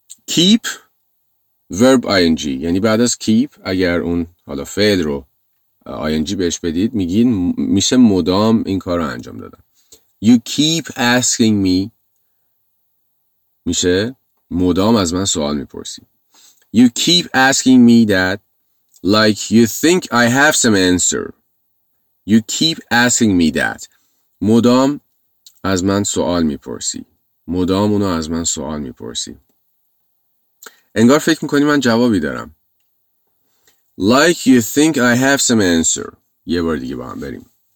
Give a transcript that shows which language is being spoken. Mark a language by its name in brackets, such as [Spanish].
[English] Keep verb ing. [Persian] یعنی بعد از keep اگر اون حالا فعل رو ing بهش بدید میگین میشه مدام این کار رو انجام دادن. [English] You keep asking me. [Persian] میشه مدام از من سوال میپرسی. [English] You keep asking me that like you think I have some answer. You keep asking me that. [Persian] مدام از من سوال میپرسی. مدام اونو از من سوال میپرسی. انگار فکر میکنی من جوابی دارم. [English] Like you think I have some answer. [Persian] یه بار دیگه با هم بریم.